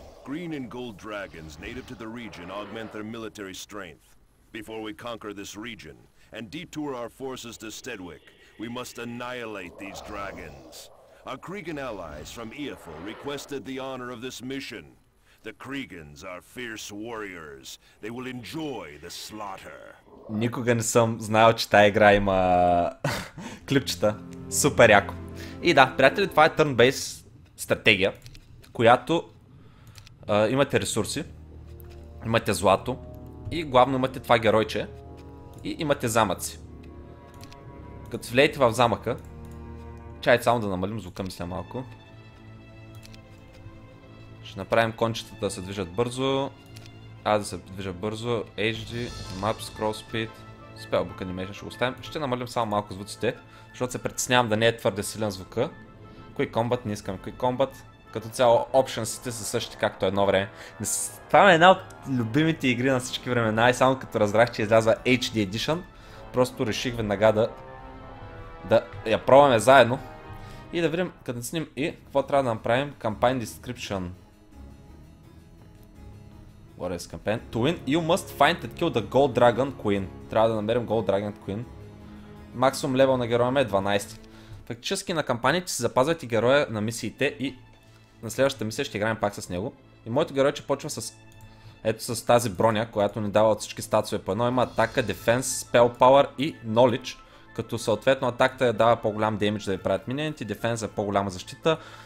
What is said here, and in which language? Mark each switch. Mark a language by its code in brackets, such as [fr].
[en] Green and gold dragons native to the region augment their military strength. Before we conquer this region and detour our forces to Stedwick, we must annihilate these dragons. Our Kreegan allies from Eofor requested the honor of this mission. The Kreegans are fierce warriors. They will enjoy the slaughter. [bg] Никога не съм знал, че тая игра има клипчета. Супер яко. И да, приятели, това е turn-based стратегия, която имате ресурси, имате злато и главно имате това геройче и имате замъци. Като влеете в замъка, чай само да намалим звука, мисля малко. Ще направим кончетата да се движат бързо. Да се движа бързо. HD, Map, Scroll Speed, Spellbook Animation ще го оставим. Ще намалим само малко звуците, защото се притеснявам да не е твърде силен звука. Quick Combat, не искам Quick Combat. Като цяло, options-ите са същи както едно време. Това е една от любимите игри на всички времена и само като разбрах, че излязва HD Edition, просто реших веднага да я пробваме заедно. И да видим, като наценим и какво трябва да направим. [en] Campaign Description. What is campaign? To win, you must find and kill the Gold Dragon Queen. [bg] Трябва да намерим Gold Dragon Queen. Максимум левел на героя ме е 12. Фактически на кампанията си запазвайте героя на мисиите и на следващата мисия ще играем пак с него. И моето геройче почва с ето с тази броня, която ни дава от всички статусове по едно. Има атака, дефенс, спел пауър и knowledge. Като съответно атаката я дава по-голям демидж да ви правят минионите, дефенс е по-голяма защита.